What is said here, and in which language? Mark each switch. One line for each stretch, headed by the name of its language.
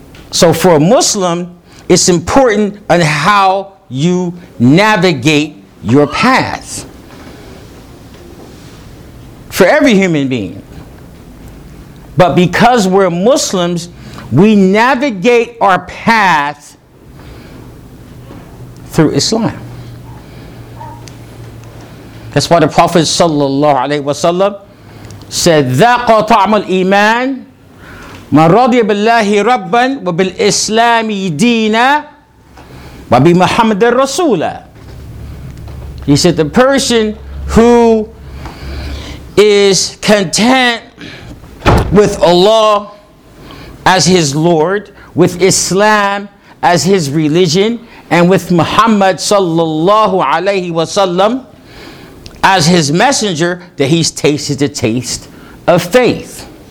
English: So for a Muslim, it's important on how you navigate your path. For every human being. But because we're Muslims, we navigate our path through Islam. That's why the Prophet sallallahu alaihi wasallam said,
Arabic: ذَاقَ طَعْمُ الْإِيمَانِ مَنْ رَضِيَ بِاللَّهِ رَبًّا وَبِالْإِسْلَامِ دِينًا وَبِي مُحَمَّدِ الرَّسُولَ.
English: He said, the person who is content with Allah as his Lord, with Islam as his religion, and with Muhammad sallallahu alayhi wa sallam as his messenger, that he's tasted the taste of faith.